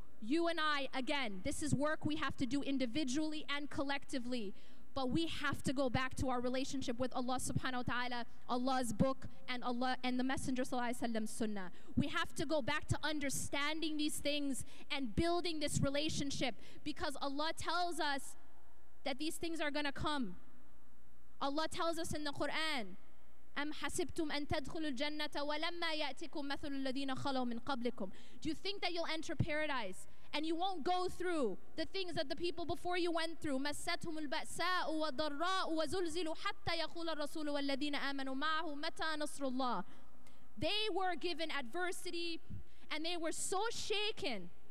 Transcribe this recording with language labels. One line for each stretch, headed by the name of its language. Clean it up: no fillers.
English: You and I, again, this is work we have to do individually and collectively, but we have to go back to our relationship with Allah subhanahu wa ta'ala, Allah's book, and Allah and the Messenger sallallahu alaihi wasallam's sunnah. We have to go back to understanding these things and building this relationship, because Allah tells us that these things are going to come. Allah tells us in the Quran,
Arabic: أَمْ حَسِبْتُمْ أَن تَدْخُلُوا الْجَنَّةَ وَلَمَّا يَأْتِكُمْ مَثَلُ الَّذِينَ خَلَوْا مِنْ قَبْلِكُمْ.
English: Do you think that you'll enter paradise and you won't go through the things that the people before you went through?
Arabic: مَسَّتْهُمُ الْبَأْسَاءُ وَالضَّرَّاءُ وَزُلْزِلُوا حَتَّى يَقُولَ الرَّسُولُ وَالَّذِينَ آمَنُوا مَعَهُ مَتَى نَصْرُ اللَّهِ.
English: They were given adversity and they were so shaken.